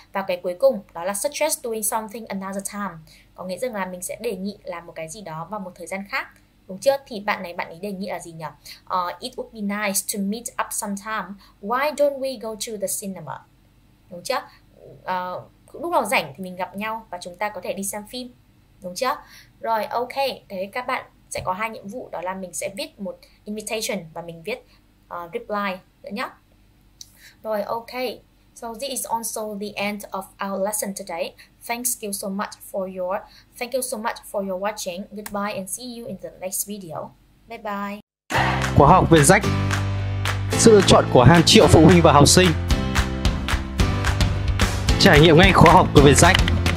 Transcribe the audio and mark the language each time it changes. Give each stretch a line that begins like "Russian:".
Vietnamese: Và cái cuối cùng đó là
English: suggest doing something another time,
Vietnamese: có nghĩa rằng là mình sẽ đề nghị làm một cái gì đó vào một thời gian khác, đúng chưa? Thì bạn ấy đề nghị là gì nhỉ?
English: It would be nice to meet up sometime. Why don't we go to the cinema?
Vietnamese: Đúng chưa? Lúc nào rảnh thì mình gặp nhau và chúng ta có thể đi xem phim, đúng chưa? Rồi, ok, thế các bạn sẽ có hai nhiệm vụ, đó là mình sẽ viết một invitation và mình viết reply nữa nhé. Rồi, ok,
English: so this is also the end of our lesson today. Thank you so much for your watching. Goodbye and see you in the next video. Bye bye.
Vietnamese: Khóa học Việt Rách, sự lựa chọn của hàng triệu phụ huynh và học sinh. Trải nghiệm ngay khóa học của Vietjet.